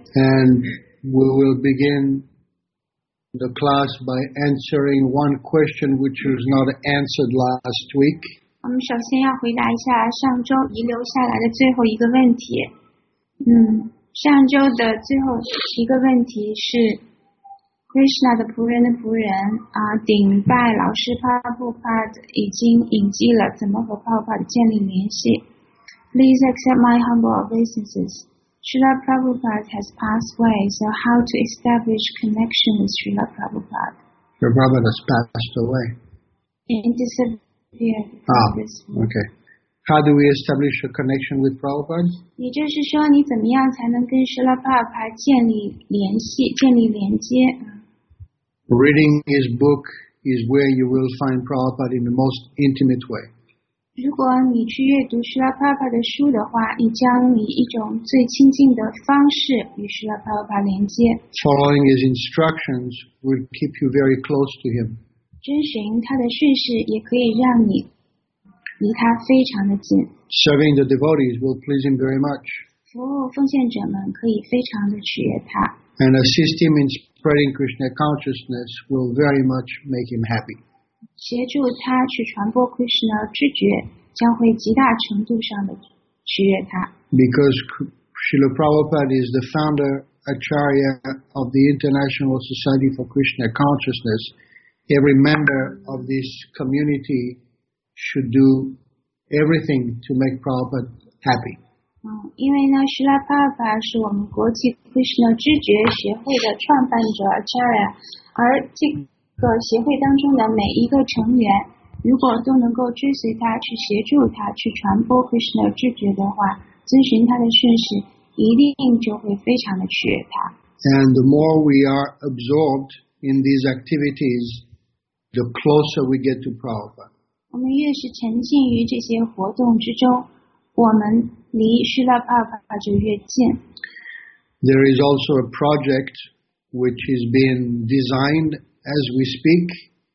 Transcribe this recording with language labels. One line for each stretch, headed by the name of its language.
English: And we will begin the class by answering one question which was not answered last week.
Chinese: 我们首先要回答一下上周遗留下来的最后一个问题。上周的最后一个问题是 Krishna 的仆人的仆人啊，顶拜老师 Prabhupada 已经隐居了，怎么和 Prabhupada 建立联系？
English: Please accept my humble obeisances. Srila Prabhupada has passed away, so how to establish connection with Srila Prabhupada? Srila Prabhupada has passed away. And disappeared. Okay. How do we establish a connection with Prabhupada?
Chinese: 也就是说你怎么样才能跟 Srila Prabhupada 建立联系，建立连接。
English: Reading his book is where you will find Prabhupada in the most intimate way.
Chinese: 如果你去阅读 Srila Prabhupada 的书的话，你将以一种最亲近的方式与 Srila Prabhupada 连接。
English: Following his instructions will keep you very close to him.
Chinese: 遵循他的训示也可以让你离他非常的近。
English: Serving the devotees will please him very much.
Chinese: 服务奉献者们可以非常的取悦他。
English: And assist him in spreading Krishna consciousness will very much make him happy.
Chinese: 协助他去传播 Krishna 知觉，将会极大程度上的取悦他。
English: Because Srila Prabhupada is the founder acharya of the International Society for Krishna Consciousness, every member of this community should do everything to make Prabhupada happy.
Chinese: 因为呢 ，Srila Prabhupada 是我们国际 Krishna 知觉协会的创办者 acharya， 而这个。这个协会当中的每一个成员如果都能够追随他去协助他去传播 Krishna 知觉的话遵循他的训示一定就会非常的取悦他
English: And the more we are absorbed in these activities the closer we get to Prabhupada
Chinese: 我们越是沉浸于这些活动之中我们离 Srila Prabhupada 就越近
English: There is also a project which is being designedAs we speak,